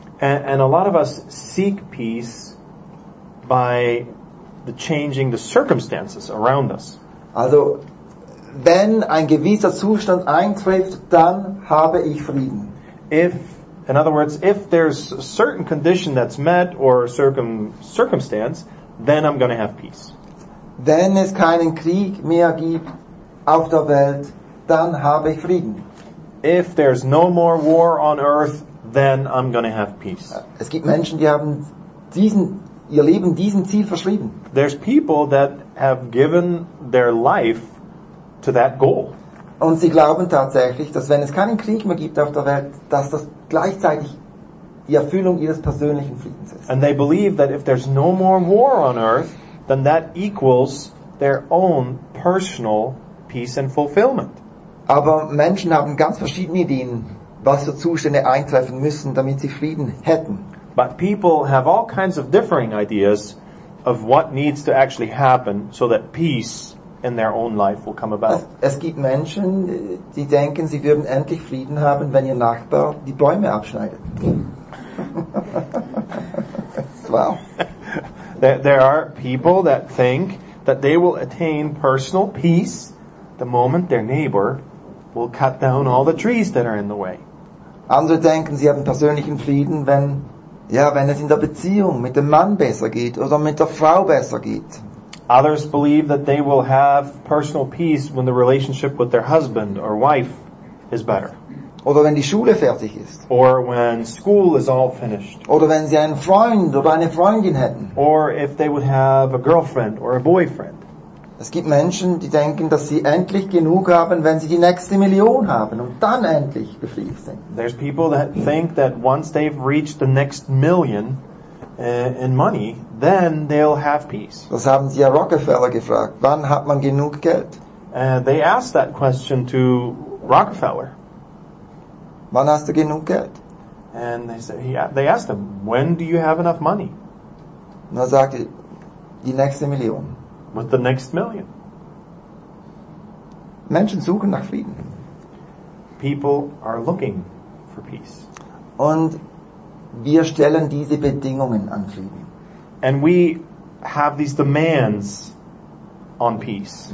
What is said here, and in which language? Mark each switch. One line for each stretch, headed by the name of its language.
English: And a lot of us seek peace by the changing the circumstances around us.
German: Also, wenn ein gewisser Zustand eintrifft, dann habe ich Frieden.
English: In other words, if there's a certain condition that's met or a circumstance, then I'm going to have peace.
German: Wenn es keinen Krieg mehr gibt auf der Welt, dann habe ich Frieden.
English: If there's no more war on earth, then I'm going to have peace.
German: Es gibt Menschen, die haben ihr Leben diesem Ziel verschrieben.
English: There's people that have given their life to that goal.
German: Und sie glauben tatsächlich, dass wenn es keinen Krieg mehr gibt auf der Welt, dass das gleichzeitig die Erfüllung ihres persönlichen Friedens ist.
English: And they believe that if there's no more war on earth, then that equals their own personal peace and fulfillment.
German: Aber Menschen haben ganz verschiedene Ideen, was für Zustände eintreffen müssen, damit sie Frieden hätten.
English: But people have all kinds of differing ideas of what needs to actually happen so that peace in their own life will come about.
German: Es gibt Menschen, die denken, sie würden endlich Frieden haben, wenn ihr Nachbar die Bäume abschneidet.
English: Wow. There are people that think that they will attain personal peace the moment their neighbor will cut down all the trees that are in the way.
German: Andere denken, sie haben persönlichen Frieden, wenn es in der Beziehung mit dem Mann besser geht oder mit der Frau besser geht.
English: Others believe that they will have personal peace when the relationship with their husband or wife is better.
German: Oder wenn die Schule fertig ist.
English: Or when school is all finished.
German: Oder wenn sie einen Freund oder eine Freundin hätten.
English: Or if they would have a girlfriend or a boyfriend.
German: Es gibt Menschen, die denken, dass sie endlich genug haben, wenn sie die nächste Million haben und dann endlich befriedigt sind.
English: There's people that think that once they've reached the next million, and money, then they'll have peace.
German: Das haben sie ja Rockefeller gefragt. Wann hat man genug Geld?
English: They asked that question to Rockefeller.
German: Wann hast du genug Geld?
English: And they asked him, when do you have enough money?
German: Und er sagte, die nächste Million.
English: With the next million.
German: Menschen suchen nach Frieden.
English: People are looking for peace.
German: Und wir stellen diese Bedingungen an Frieden.
English: And we have these demands on peace.